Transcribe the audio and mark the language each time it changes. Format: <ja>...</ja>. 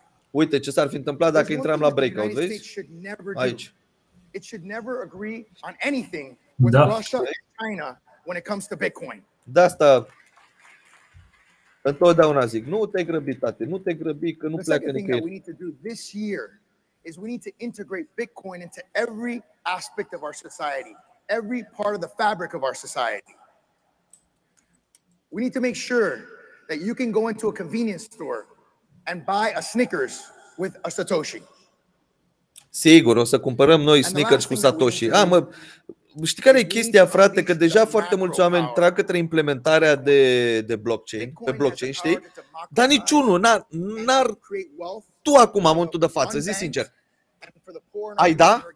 <ro>Uite ce s-ar fi întâmplat dacă intram la breakout, vezi? Aici.</ro> <en>It should never agree on anything with Russia and China when it comes to Bitcoin.</en> <ro>De asta întotdeauna zic, nu te grăbi, tate, nu te grăbi că nu pleacă nicăieri.</ro> <en>Is we need to integrate Bitcoin into every aspect of our society, every part of the fabric of our society. We need to make sure that you can go into a convenience store and buy a Snickers with a Satoshi.</en> <ro>Sigur, o să cumpărăm noi Snickers cu Satoshi. Ah, mă, știi care e chestia, frate, că deja foarte mulți oameni trag către implementarea de blockchain, pe blockchain, știi? Dar niciunul n-ar tu acum, în momentul de față, zi sincer, ai da?</ro>